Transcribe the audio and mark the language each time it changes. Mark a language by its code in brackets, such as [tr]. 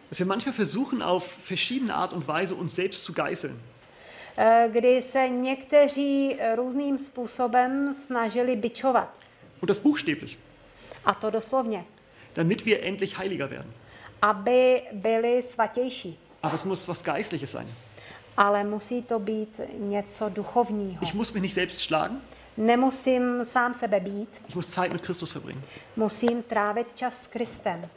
[de] Dass wir manchmal versuchen auf verschiedene Art und Weise uns selbst zu geißeln. [cs] Kdy se někteří různým způsobem snažili bičovat. [de] Und das buchstäblich. [cs] A to doslovně. [de] Damit wir endlich heiliger werden. [cs] Aby byli svatější. [de] Aber es muss was Geistliches sein. [cs] Ale musí to být něco duchovního. [de] Ich muss mich nicht selbst schlagen. [cs] Nemusím sám sebe být. [de] Ich muss Zeit mit Christus verbringen. [cs] Musím trávit čas s Kristem.